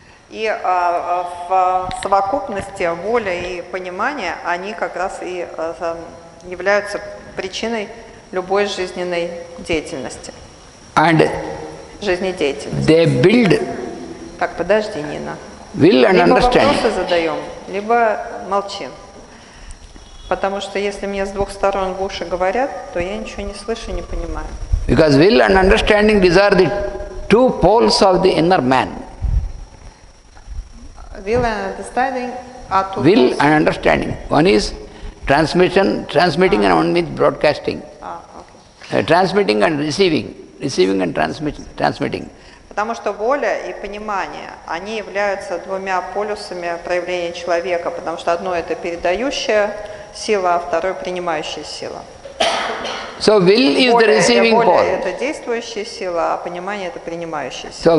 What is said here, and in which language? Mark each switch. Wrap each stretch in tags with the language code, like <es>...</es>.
<ru>И в совокупности воля и понимание, они как раз и являются причиной любой жизненной деятельности.</ru> <en>And</en> <ru>жизнедеятельности.</ru> <en>They build.</en> <ru>Так, подожди, Нина.</ru> <en>Will and understanding.</en> <ru>Либо вопросы задаем, либо молчим. Потому что если мне с двух сторон в уши говорят, то я ничего не слышу, не понимаю.</ru> <en>Because will and understanding, these are the two poles of the inner man. Will and understanding. One is transmission, transmitting, and one means broadcasting. Transmitting and receiving. Receiving and transmitting.</en> <ru>Потому что воля и понимание, они являются двумя полюсами проявления человека, потому что одно это передающая сила, а второе принимающая сила.</ru> <en>So will is the receiving pole.</en> <ru>Воля это действующая сила, а понимание это принимающая сила.</ru>